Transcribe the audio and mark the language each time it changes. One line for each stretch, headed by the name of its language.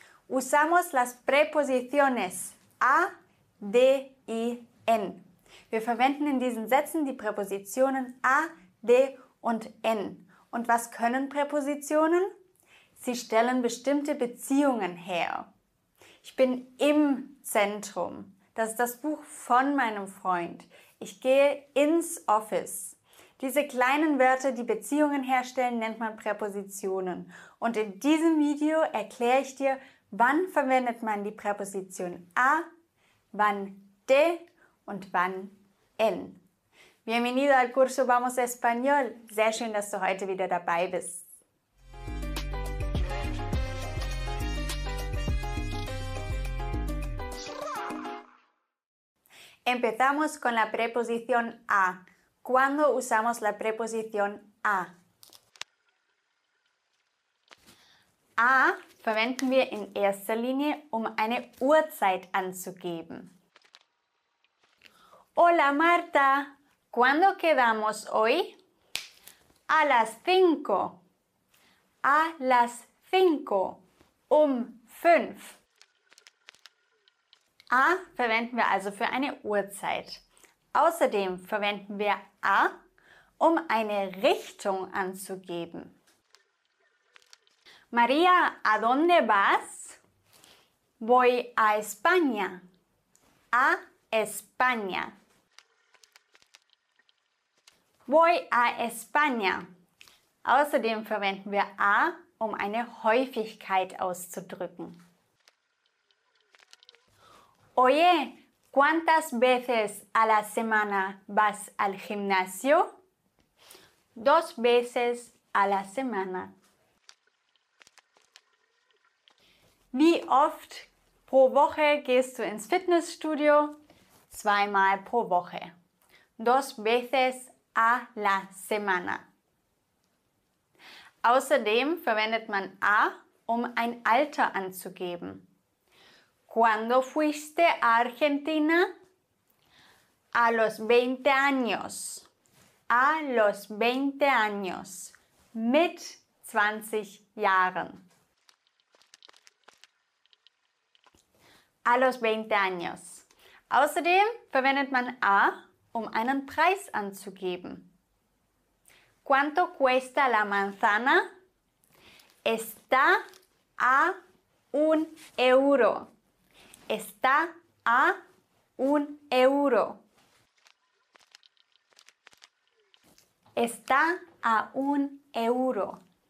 Spanish: Usamos las preposiciones a, de y en.
German: Wir verwenden in diesen Sätzen die Präpositionen a, de und en. Und was können Präpositionen? Sie stellen bestimmte Beziehungen her. Ich bin im Zentrum. Das ist das Buch von meinem Freund. Ich gehe ins Office. Diese kleinen Wörter, die Beziehungen herstellen, nennt man Präpositionen. Und in diesem Video erkläre ich dir, wann verwendet man die Präposition a, wann de und wann en.
Spanish: Bienvenido al curso Vamos Español.
German: Sehr schön, dass du heute wieder dabei bist.
Spanish: Empezamos con la preposición a. ¿Cuándo usamos la preposición a?
German: A verwenden wir in erster Linie, um eine Uhrzeit anzugeben.
Spanish: Hola Marta, ¿cuándo quedamos hoy? A las cinco. A las cinco.
German: Um fünf. A verwenden wir also für eine Uhrzeit. Außerdem verwenden wir A, um eine Richtung anzugeben.
Spanish: Maria, ¿a dónde vas? Voy a España. A España. Voy a España.
German: Außerdem verwenden wir A, um eine Häufigkeit auszudrücken.
Spanish: Oye, ¿cuántas veces a la semana vas al gimnasio? Dos veces a la semana.
German: Wie oft pro Woche gehst du ins Fitnessstudio? Zweimal pro Woche.
Spanish: Dos veces a la semana.
German: Außerdem verwendet man A, um ein Alter anzugeben.
Spanish: ¿Cuándo fuiste a Argentina? A los 20 años. A los 20 años.
German: Mit 20 Jahren.
Spanish: A los 20 años.
German: Außerdem verwendet man A, um einen Preis anzugeben.
Spanish: ¿Cuánto cuesta la manzana? Está a un euro. Está a un euro. Está a un euro.